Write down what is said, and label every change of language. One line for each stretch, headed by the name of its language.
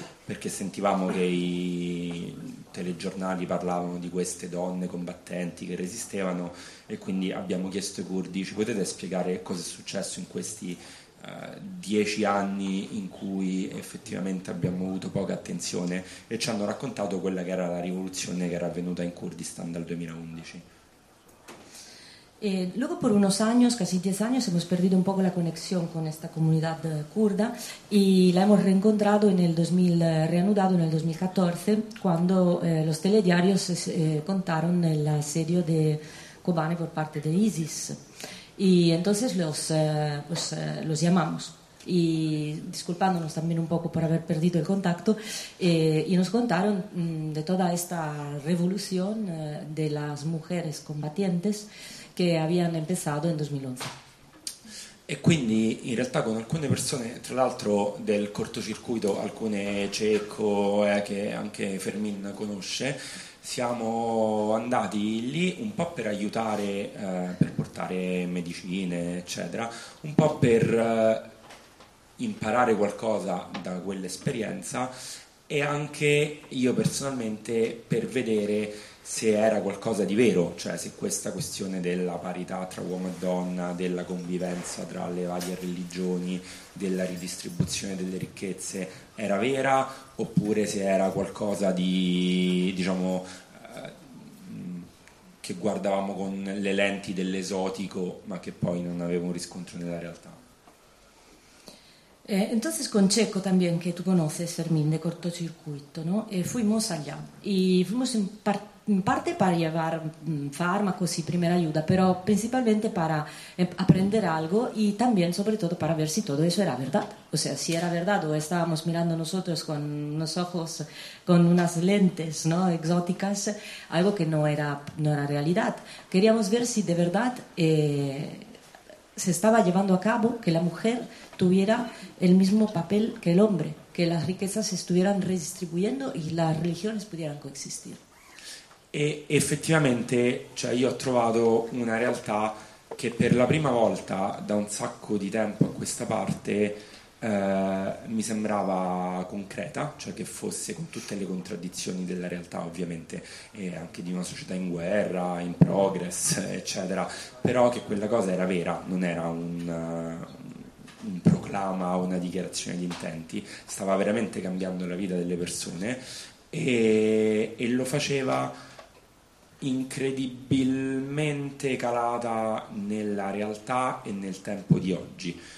Italian: perché sentivamo che i telegiornali parlavano di queste donne combattenti che resistevano, e quindi abbiamo chiesto ai curdi: ci potete spiegare cosa è successo in questi 10 anni in cui effettivamente abbiamo avuto poca attenzione? E ci hanno raccontato quella che era la rivoluzione che era avvenuta in Kurdistan dal 2011.
Spanish: Luego por unos años, casi 10 años, hemos perdido un poco la conexión con esta comunidad kurda y la hemos reencontrado en el 2000, reanudado en el 2014, cuando los telediarios contaron el asedio de Kobane por parte de ISIS. Y entonces los llamamos, y disculpándonos también un poco por haber perdido el contacto, y nos contaron de toda esta revolución de las mujeres combatientes
Italian: che avevano iniziato nel 2011. E quindi in realtà con alcune persone, tra l'altro del cortocircuito, alcune Cecco, che anche Fermin conosce, siamo andati lì un po' per aiutare, per portare medicine, eccetera, un po' per imparare qualcosa da quell'esperienza, e anche io personalmente per vedere se era qualcosa di vero, cioè se questa questione della parità tra uomo e donna, della convivenza tra le varie religioni, della ridistribuzione delle ricchezze era vera, oppure se era qualcosa di, diciamo, che guardavamo con le lenti dell'esotico, ma che poi non aveva un riscontro nella realtà.
Spanish: Entonces con Checo también, que tú conoces, Fermín, de cortocircuito, ¿no? Fuimos allá y fuimos en parte para llevar fármacos y primera ayuda, pero principalmente para aprender algo y también sobre todo para ver si todo eso era verdad. O sea, si era verdad o estábamos mirando nosotros con unos ojos, con unas lentes, ¿no?, exóticas, algo que no era realidad. Queríamos ver si de verdad se estaba llevando a cabo que la mujer tuviera el mismo papel que el hombre, que las riquezas se estuvieran redistribuyendo y las religiones pudieran coexistir.
Italian: E effettivamente, cioè, io ho trovato una realtà che per la prima volta da un sacco di tempo a questa parte mi sembrava concreta, cioè che fosse con tutte le contraddizioni della realtà, ovviamente, e anche di una società in guerra, in progress, eccetera, però che quella cosa era vera, non era un proclama, una dichiarazione di intenti, stava veramente cambiando la vita delle persone e lo faceva incredibilmente calata nella realtà e nel tempo di oggi.